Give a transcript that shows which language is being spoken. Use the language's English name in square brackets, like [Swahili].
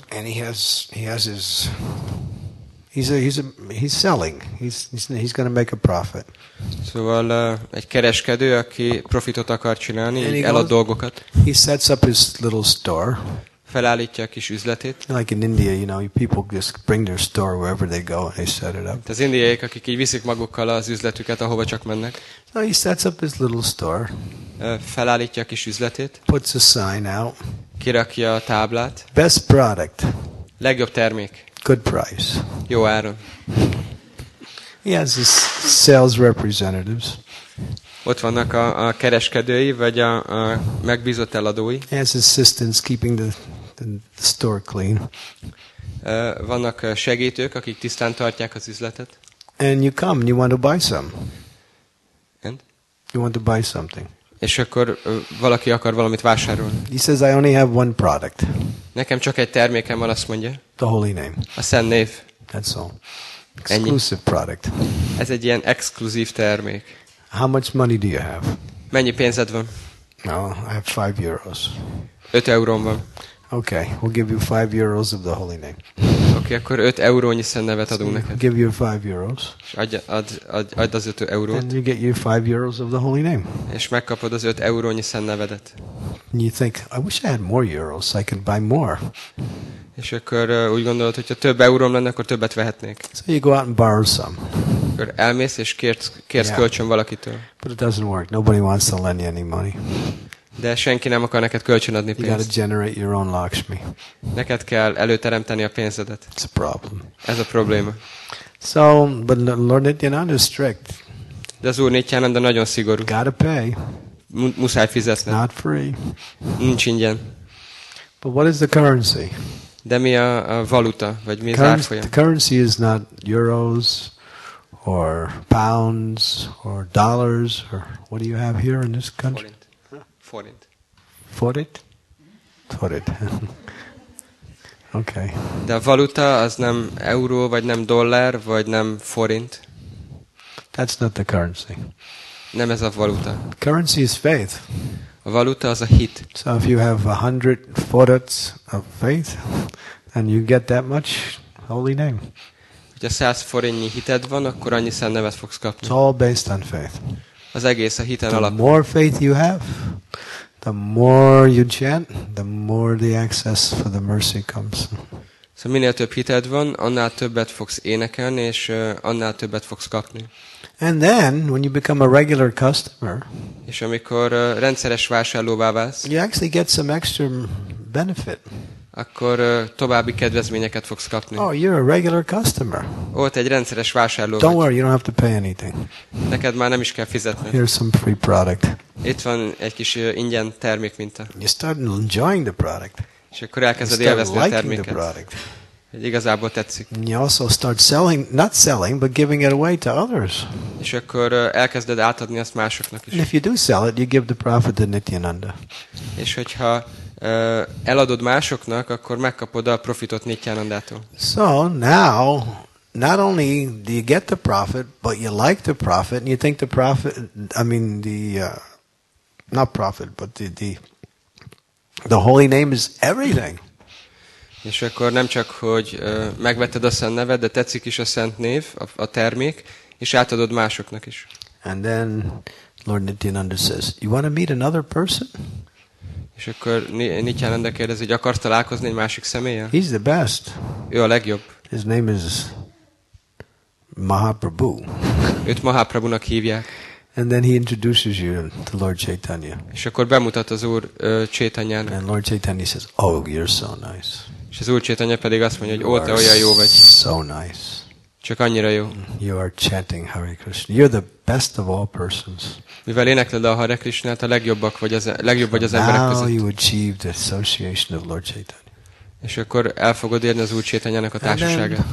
[English] And he's selling. He's going to make a profit. [Hungarian] Szóval egy kereskedő, aki profitot akar csinálni, elad dolgokat. [English] He sets up his little store. [Hungarian] Felállítja a kis üzletét. [English] Like in India, you know, people just bring their store wherever they go and they set it up. [Hungarian] Az indiaiak, akik így viszik magukkal az üzletüket, ahova csak mennek. [English] So he sets up his little store. [Hungarian] Felállítja a kis üzletét. [English] Puts a sign out. [Hungarian] Kirakja a táblát. [English] Best product. [Hungarian] Legjobb termék. [English] Good price. [Hungarian] Jó áron. [English] He has his sales representatives. [Hungarian] Ott vannak a kereskedői vagy a megbízott eladói. [English] He has assistants keeping the store clean. [Hungarian] Vannak segítők, akik tisztán tartják az üzletet. [English] And you come, you want to buy some. And? You want to buy something. [Hungarian] És akkor valaki akar valamit vásárolni. [English] He says I only have one product. [Hungarian] Nekem csak egy termékem van, azt mondja. [English] The holy name. [Hungarian] A Szent Név. [English] That's all. Exclusive [Hungarian] ennyi. [English] Product. [Hungarian] Ez egy ilyen exkluzív termék. [English] How much money do you have? [Hungarian] Mennyi pénzed van? [English] No, I have 5 euros. [Hungarian] 5 euróm van. [English] Okay, we'll give you 5 euros of the holy name. [Hungarian] Okay, akkor 5 eurónyi Szent Nevet adunk neked. [English] We'll give you 5 euros. [Hungarian] Adj az 5 eurót. [English] And you get you 5 euros of the holy name. [Hungarian] És megkapod az 5 eurónyi Szent Nevedet. [English] And you think, I wish I had more euros so I could buy more. [Hungarian] És akkor úgy gondolod, hogy ha több euróm lenne, akkor többet vehetnék. [English] So you go out and borrow some. [Hungarian] Akkor elmész és kérsz kölcsön valakitől. [English] But it doesn't work. Nobody wants to lend you any money. [Hungarian] De senki nem akar neked kölcsön adni pénzt. [English] You gotta generate your own Lakshmi. [Hungarian] Neked kell előteremteni a pénzedet. [English] It's a problem. [Hungarian] Ez a probléma. [English] So, but Lord Nityananda is strict. [Hungarian] De az Úr Nityananda nagyon szigorú. [English] Gotta pay. [Hungarian] Muszáj fizetni. [English] Not free. [Hungarian] Nincs ingyen. [English] But what is the currency? [Hungarian] De mi a valuta, vagy mi az árfolyam? [English] The currency is not euros or pounds or dollars or what do you have here in this country? [Hungarian] Forint. Forint? Forint. Okay. De a valuta az nem euró, vagy nem dollár, vagy nem forint. [English] That's not the currency. [Hungarian] Nem ez a valuta. [English] Currency is faith. [Hungarian] A valuta az a hit. [English] So if you have 100 forints of faith, then you get that much holy name. [Hungarian] Hogyha 100 forintnyi hited van, akkor annyi Szent Nevet fogsz kapni. [English] It's all based on faith. [Hungarian] Az egész a hiten alapul. [English] The more faith you have, the more you chant, the more the access for the mercy comes. [Hungarian] Szóval minél több hited van, annál többet fogsz énekelni, és annál többet fogsz kapni. [English] And then, when you become a regular customer, [Hungarian] és amikor rendszeres vásárlóvá válsz, [English] you actually get some extra benefit. [Hungarian] Akkor további kedvezményeket fogsz kapni. [English] Oh, you're a regular customer. [Hungarian] Ó, te egy rendszeres vásárló. [English] Don't worry, you don't have to pay anything. [Hungarian] Neked már nem is kell fizetni. [English] Here's some free product. [Hungarian] Itt van egy kis ingyen termék minta. [English] You start enjoying the product. [Hungarian] És akkor elkezded élvezni a terméket. Igazából tetszik. [English] You also start selling, not selling, but giving it away to others. [Hungarian] És akkor elkezded átadni azt másoknak is. [English] And if you do sell it, you give the profit to Nityananda. [Hungarian] És hogyha eladod másoknak, akkor megkapod a profitot Nityanandától. [English] So now, not only do you get the profit, but you like the profit, and you think the profit, the holy name is everything. [Hungarian] És akkor nem csak, hogy megvetted a Szent Nevet, de tetszik is a Szent Név, a termék, és átadod másoknak is. [English] And then Lord Nityananda says, you want to meet another person? [Hungarian] És akkor Nityananda kérdezi, hogy akarsz találkozni egy másik személlyel? [English] He's the best. [Hungarian] Ő a legjobb. [English] His name is Mahaprabhu. [Hungarian] Őt Mahaprabhunak hívják. [English] And then he introduces you to Lord Chaitanya. [Hungarian] És akkor bemutat az Úr Chaitanyának. [English] And Lord Chaitanya says, oh, you're so nice. [Hungarian] És az Úr Chaitanya pedig azt mondja, hogy ó, te olyan jó vagy. [English] So nice. [Hungarian] Csak annyira jó. [English] You are chanting Hare Krishna. You're the best of all persons. [Hungarian] Mivel énekled a Hare Krishnát, a legjobbak vagy az legjobb vagy az emberek között. [English] Now you achieve the association of Lord Chaitanya. [Hungarian] És akkor el fogod érni az Úr Chaitanyának a társaságát.